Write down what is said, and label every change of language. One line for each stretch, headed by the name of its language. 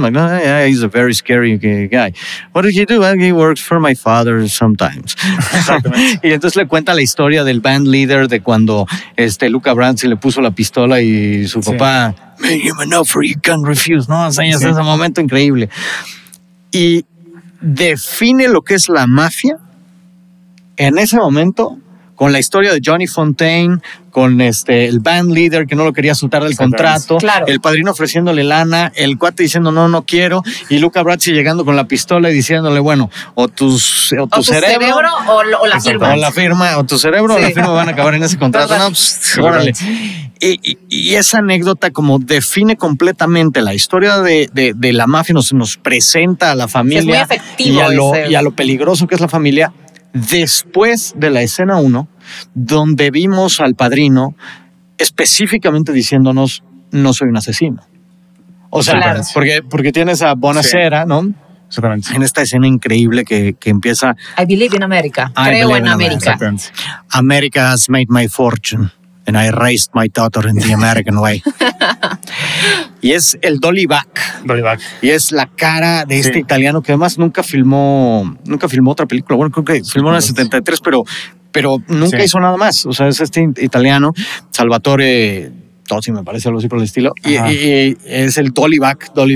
English: Like, oh, yeah, he's a very scary guy. What did he do? Well, he works for my father sometimes.
Spanish: Y entonces le cuenta la historia del band leader de cuando Luca Brasi le puso la pistola y su papá, sí,
English: made him an offer you can't refuse,
Spanish: ¿no? O sea, sí, es un momento increíble. Y define lo que es la mafia en ese momento con la historia de Johnny Fontaine, con el band leader que no lo quería soltar del contrato, claro, el padrino ofreciéndole lana, el cuate diciendo no, no quiero, y Luca Brasi llegando con la pistola y diciéndole, bueno, o tu cerebro o la firma van a acabar en ese contrato. No, pues, órale. Y esa anécdota como define completamente la historia de la mafia, nos presenta a la familia, es muy efectivo, y a lo peligroso que es la familia. Después de la escena 1, donde vimos al padrino específicamente diciéndonos, no soy un asesino. O sea, claro, porque tienes a Bonacera, sí, ¿no? Exactamente. En esta escena increíble que empieza...
English: I believe in America.
Spanish: Creo en América.
English: America has made my fortune and I raised my daughter in the American way.
Spanish: Y es el Dolly Back. Y es la cara de este, sí, italiano que además nunca filmó otra película. Bueno, creo que filmó en el 73, pero nunca, sí, hizo nada más. O sea, es este italiano, Salvatore Tozzi, me parece, algo así por el estilo. Y es el Dolly Back.